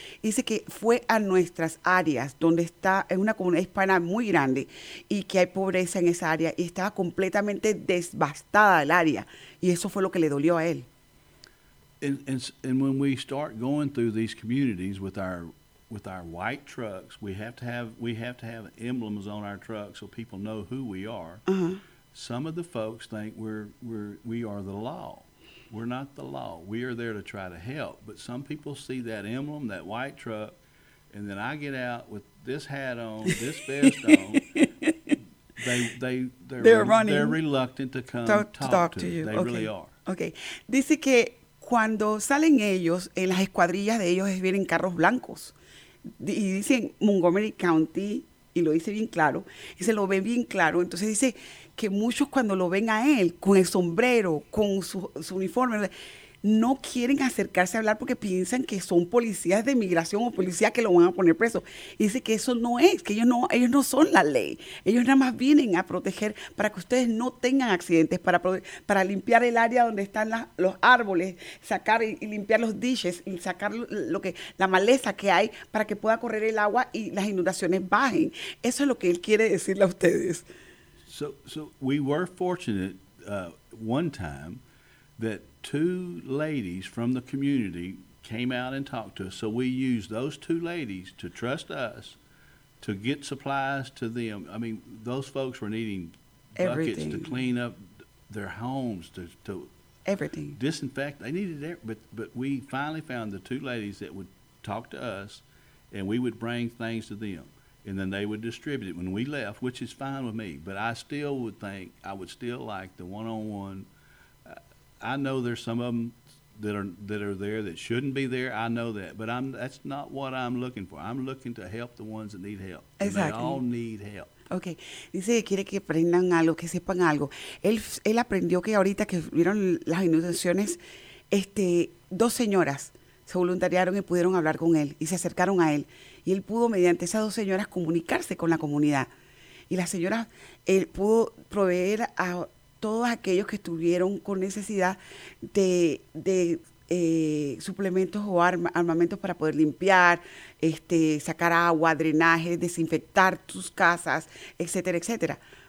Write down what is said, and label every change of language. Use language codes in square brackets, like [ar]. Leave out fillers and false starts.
[es] Dice que fue a nuestras áreas, donde está en una comunidad hispana muy grande y que hay pobreza en esa área y estaba completamente devastada el área y eso fue lo que le dolió a él. [en] And when we start going through these communities with our white trucks, we have to have emblems on our trucks so people know who we are. Uh-huh. Some of the folks think we are the law. We're not the law. We are there to try to help. But some people see that emblem, that white truck, and then I get out with this hat on, this vest on. They're running. They're reluctant to come talk to you. They okay. really are. Okay. [es] Dice que cuando salen ellos, en las escuadrillas de ellos vienen carros blancos. Y dicen Montgomery County, y lo dice bien claro, y se lo ven bien claro. Entonces dice que muchos cuando lo ven a él, con el sombrero, con su uniforme, no quieren acercarse a hablar porque piensan que son policías de migración o policías que lo van a poner preso. Y dice que eso no es, que ellos no son la ley. Ellos nada más vienen a proteger para que ustedes no tengan accidentes, para limpiar el área donde están los árboles, sacar y limpiar los ditches, y sacar la maleza que hay para que pueda correr el agua y las inundaciones bajen. Eso es lo que él quiere decirle a ustedes. [en] So we were fortunate one time that two ladies from the community came out and talked to us. So we used those two ladies to trust us to get supplies to them. I mean, those folks were needing everything. Buckets to clean up their homes, to everything. Disinfect. They needed it. But we finally found the two ladies that would talk to us, and we would bring things to them. And then they would distribute it when we left, which is fine with me. But I still would think, I would still like the one-on-one. I know there's some of them that are there that shouldn't be there. I know that. But that's not what I'm looking for. I'm looking to help the ones that need help. Exactly. And they all need help. Okay. [es] Dice que quiere que aprendan algo, que sepan algo. Él aprendió que ahorita que vieron las inundaciones, dos señoras se voluntariaron y pudieron hablar con él y se acercaron a él. Y él pudo, mediante esas dos señoras, comunicarse con la comunidad. Y las señoras, él pudo proveer a todos aquellos que estuvieron con necesidad de suplementos o armamentos para poder limpiar, sacar agua, drenaje, desinfectar tus casas, etcétera, etcétera.